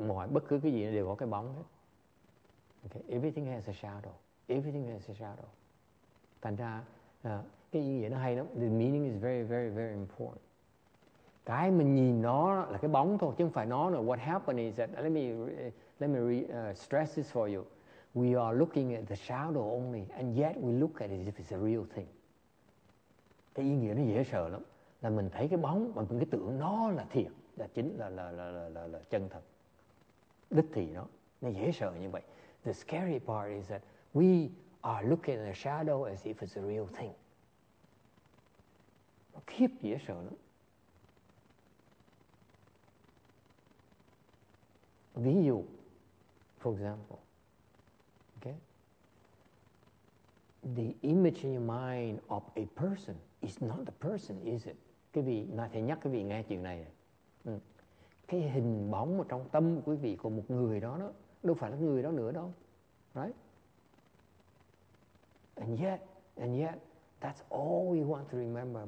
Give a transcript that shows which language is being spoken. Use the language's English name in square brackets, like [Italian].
[Vietnamese] Bất cứ cái gì đều có cái bóng hết. Okay. [English] Everything has a shadow. Everything has a shadow. [Vietnamese] Thành ra, cái ý nghĩa nó hay lắm. [English] The meaning is very, very, very important. [Vietnamese] Cái mình nhìn nó là cái bóng thôi, chứ không phải nó nữa. [English] What happened is that, let me stress this for you. We are looking at the shadow only, and yet we look at it as if it's a real thing. [Vietnamese] Cái ý nghĩa nó dễ sợ lắm. Là mình thấy cái bóng, mà mình cứ tưởng nó là thiệt. Là chính là chân thật. Đích thị nó dễ sợ như vậy. [English] The scary part is that we are looking at a shadow as if it's a real thing. [Vietnamese] Nó khiếp dễ sợ lắm. ví dụ, [English] for example, okay? The image in your mind of a person is not the person, is it? [Vietnamese] Quý vị, nói thầy nhắc quý vị nghe chuyện này. Cái hình bóng ở trong tâm của quý vị của một người đó, đó đâu phải là người đó nữa đâu. [English] Right? And yet, that's all we want to remember.